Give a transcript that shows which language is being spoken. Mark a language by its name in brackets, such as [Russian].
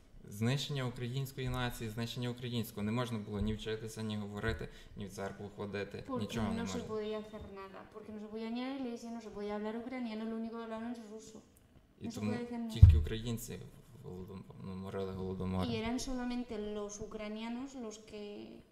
[Ukrainian] Знищення української нації, знищення українського. Не можна було ні вчитися, ні говорити, ні в церкву ходити, [Spanish] porque [Ukrainian] нічого не можна. [Spanish] Porque no se podía hacer nada, porque no se podía ni a la iglesia, no se podía hablar ucraniano, lo único que hablaron es ruso. [Ukrainian] І тому тільки українці морили голодомор. [Spanish] Y eran solamente los ucranianos los que...